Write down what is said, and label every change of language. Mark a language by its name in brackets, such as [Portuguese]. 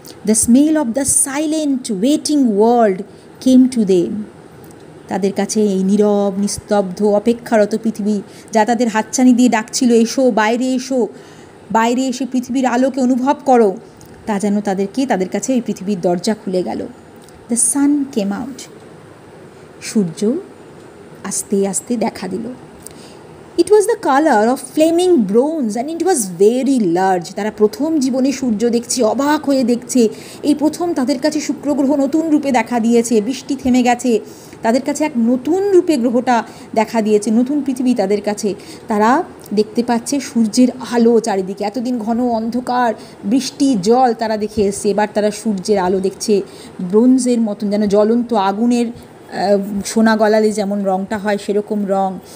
[English] the smell of the silent waiting world came to them, [Bangla] তাদের কাছে এই নীরব নিস্তব্ধ অপেক্ষারত পৃথিবী যা তাদের হাতছানি দিয়ে ডাকছিল, এসো বাইরে, এসো বাইরে, এসে পৃথিবীর আলোকে অনুভব করো, তা যেন তাদেরকে, তাদের কাছে এই পৃথিবীর দরজা খুলে গেল। [English] the sun came out, [Bangla] সূর্য আস্তে আস্তে দেখা দিল। [English] It was the color of flaming bronze and it was very large. [Bangla] তারা প্রথম জীবনে সূর্য দেখছে, অবাক হয়ে দেখছে। এই প্রথম তাদের কাছে শুক্রগ্রহ নতুন রূপে দেখা দিয়েছে, বৃষ্টি থেমে গেছে, তাদের কাছে এক নতুন রূপে গ্রহটা দেখা দিয়েছে, নতুন পৃথিবী তাদের কাছে। তারা দেখতে পাচ্ছে সূর্যের আলো চারিদিকে, এতদিন ঘন অন্ধকার, বৃষ্টি, জল তারা দেখে এসছে, এবার তারা সূর্যের আলো দেখছে ব্রোঞ্জের মতন, যেন জ্বলন্ত আগুনের সোনা গলালে যেমন রঙটা হয় সেরকম রং।